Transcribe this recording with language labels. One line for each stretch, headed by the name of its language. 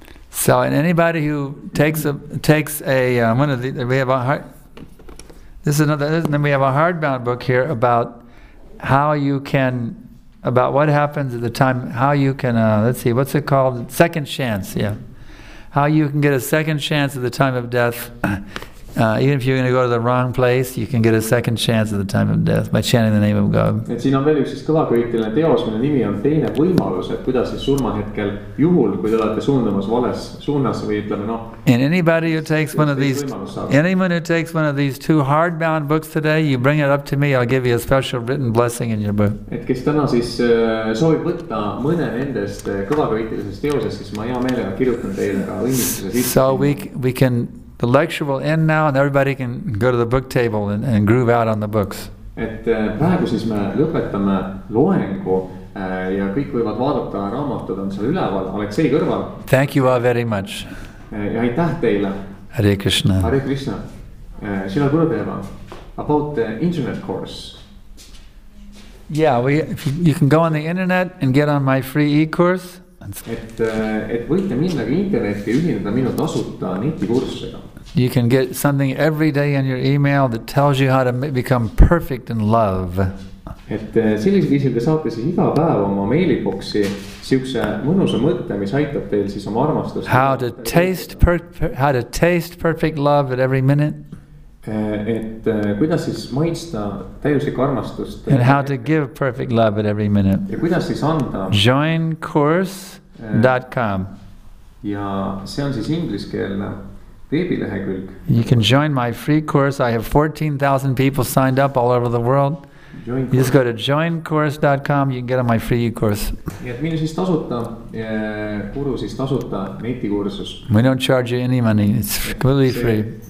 English: So, and anybody who we have a hardbound book here about what's it called? Second chance, yeah. How you can get a second chance at the time of death Even if you're going to go to the wrong place, you can get a second chance at the time of death by chanting the name of God.
Estonian: Et siin on veel üks siis kõlakriitiline teos, mille nimi on teine võimalus, et kuidas siis surma hetkel juhul, kui te olete suundamas vales suunas või ütleme noh.
English: And anybody who takes one of these, anyone who takes one of these two hardbound books today, you bring it up to me, I'll give you a special written blessing in your book.
Estonian: Et kes täna siis soovib võtta mõne nendest kõlakriitilisest teosest, siis ma hea meelega kirjutan teile ka õnnistuse.
English: So we can the lecture will end now and everybody can go to the book table and groove out on the books.
Estonian: Et praegu siis me lõpetame loengu ja kõik võivad vaadata raamatud on seal üleval, Aleksei kõrval.
English: Thank you all very much.
Estonian: Ja aitäh teile.
English: Hare Krishna. Hare Krishna. Shila Gurudeva, about the internet course. Yeah, you can go on the internet and get on my free e-course.
Estonian: Et võite minna interneti ühineda minu tasuta neti kursusega.
English: You can get something every day in your email that tells you how to become perfect in love.
Estonian: Et sellise viisil te saate siis iga päev oma meiliboksi siukse mõnusa mõtte, mis aitab teil siis oma armastust.
English: How to taste perfect love at every minute.
Estonian: Et kuidas siis maitsta täiuslik armastust.
English: And how to give perfect love at every minute.
Estonian: Ja kuidas siis anda.
English: Joincourse.com.
Estonian: Ja see on siis ingliskeelne veebilehekülg.
English: You can join my free course. I have 14,000 people signed up all over the world. Join you just go to joincourse.com, you can get on my free e-course. We don't charge you any money, it's completely free.